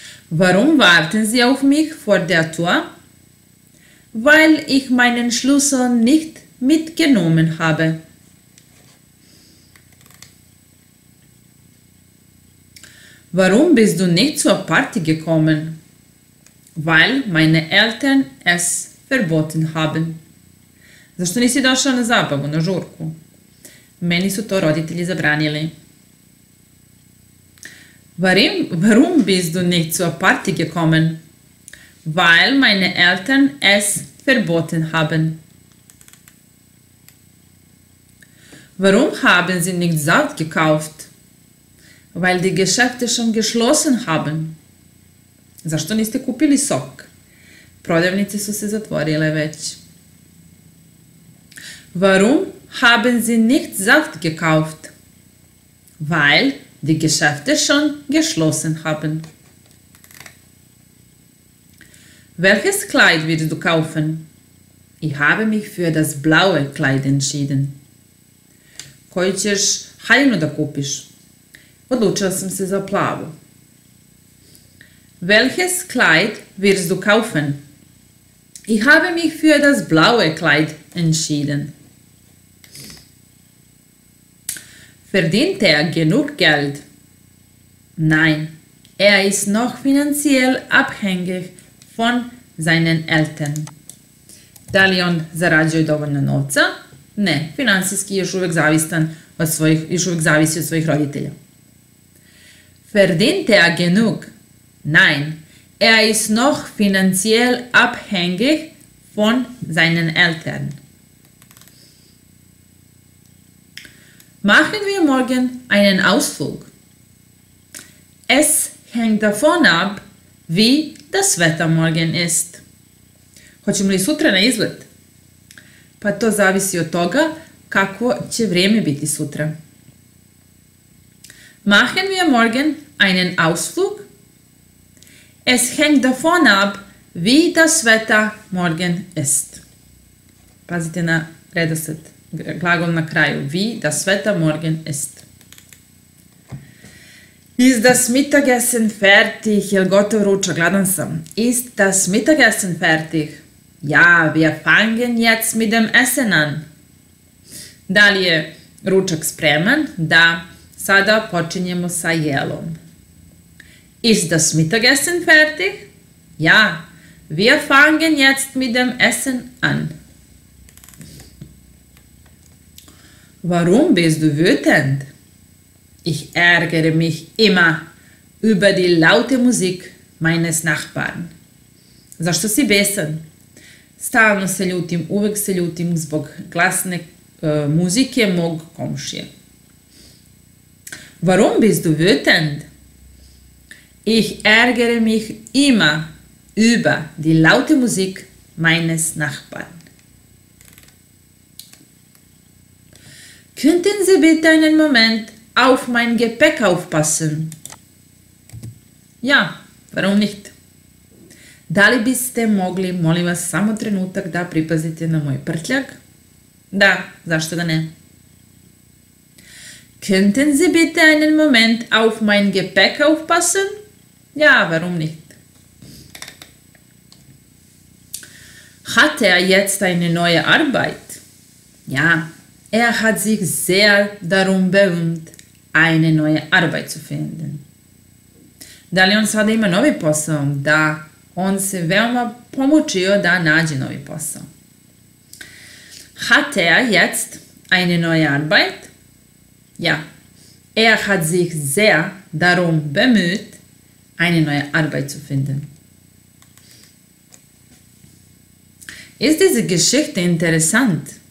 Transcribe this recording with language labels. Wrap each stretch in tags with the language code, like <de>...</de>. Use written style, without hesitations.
<de>Warum warten Sie auf mich vor der Tür? Weil ich meinen Schlüssel nicht mitgenommen habe. Warum bist du nicht zur Party gekommen? Weil meine Eltern es verboten haben.</de> <sr>Zašto nisi došao na zabavu, na žurku? Meni su to roditelji zabranili.</sr> <de>Warum bist du nicht zur Party gekommen? Weil meine Eltern es verboten haben. Warum haben sie nicht Salz gekauft? Weil die Geschäfte schon geschlossen haben.</de> <sr>Zašto niste kupili sok? Prodavnice su se zatvorile već.</sr> <de>Warum haben sie nicht Salz gekauft? Weil die Geschäfte schon geschlossen haben. Welches Kleid würdest du kaufen? Ich habe mich für das blaue Kleid entschieden.</de> <sr>Koju ćeš haljinu da kupiš? Odlučila sam se za plavu.</sr> <de>Welches Kleid wirst du kaufen? Ich habe mich für das blaue Kleid entschieden. Verdient er genug Geld? Nein, er ist noch finanziell abhängig von seinen Eltern.</de> <sr>Da li on zarađuje dovoljno novca? Ne, finansijski je još uvijek zavisi od svojih roditelja.</sr> <de>Verdient er genug? Nein, er ist noch finanziell abhängig von seinen Eltern. Machen wir morgen einen Ausflug. Es hängt davon ab, wie das Wetter morgen ist.</de> <sr>Hoćemo li sutra na izlet? Pa to zavisi od toga kako će vrijeme biti sutra.</sr> <de>Machen wir morgen einen Ausflug? Es hängt davon ab, wie das Wetter morgen ist.</de> <sr>Pazite na redosled, glagol na kraju.</sr> <de>Wie das Wetter morgen ist. Ist das Mittagessen fertig?</de> <sr>Jel gotov ručak? Gladan sam.</sr> <de>Ist das Mittagessen fertig? Ja, wir fangen jetzt mit dem Essen an.</de> <sr>Da li je ručak spreman? Da. Sada počinjemo sa jelom.</sr> <de>Ist das Mittagessen fertig? Ja, wir fangen jetzt mit dem Essen an. Warum bist du wütend? Ich ärgere mich immer über die laute Musik meines Nachbarn.</de> <sr>Zašto si besan? Stalno se ljutim, uvek se ljutim zbog glasne muzike mog komšije.</sr> <de>Warum bist du wütend? Ich ärgere mich immer über die laute Musik meines Nachbarn. Könnten Sie bitte einen Moment auf mein Gepäck aufpassen? Ja, warum nicht?</de> <sr>Da li biste mogli, molim vas, samo trenutak da pripazite na moj prtljag? Da, zašto da ne?</sr> <de>Könnten Sie bitte einen Moment auf mein Gepäck aufpassen? Ja, warum nicht? Hat er jetzt eine neue Arbeit? Ja, er hat sich sehr darum bemüht, eine neue Arbeit zu finden.</de> <sr>Da li on sada ima novi posao? Da, on se veoma pomučio da nađe novi posao.</sr> <de>Hat er jetzt eine neue Arbeit? Ja, er hat sich sehr darum bemüht, eine neue Arbeit zu finden. Ist diese Geschichte interessant?</de>